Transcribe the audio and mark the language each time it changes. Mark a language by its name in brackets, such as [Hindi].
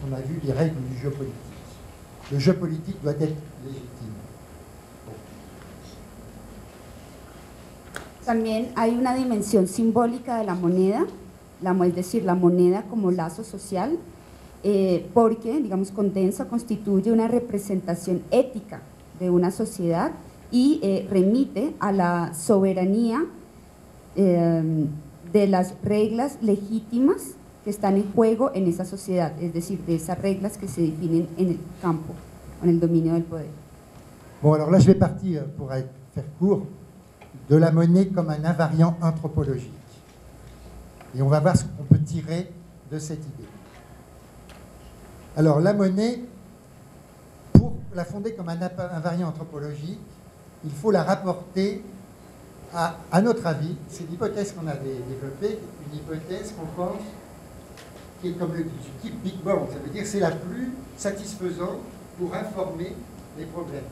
[French] On a vu les règles du jeu politique. Le jeu politique doit être légitime. [Spanish] También hay una dimensión simbólica de la moneda. Es decir, la moneda como lazo social, porque, digamos, condensa, constituye una representación ética de una sociedad y remite a la soberanía de las reglas legítimas que están en juego en esa sociedad, es decir, de esas reglas que se definen en el campo, en el dominio del poder. Bueno, ahora yo voy a partir, para hacer corto, de la moneda como un invariant antropológico. [French] Et on va voir ce qu'on peut tirer de cette idée. Alors la monnaie, pour la fonder comme un invariant anthropologique, il faut la rapporter à notre avis, c'est l'hypothèse qu'on avait développée, une hypothèse qu'on pense qui est comme le keep big bang, ça veut dire que c'est la plus satisfaisante pour informer les problèmes.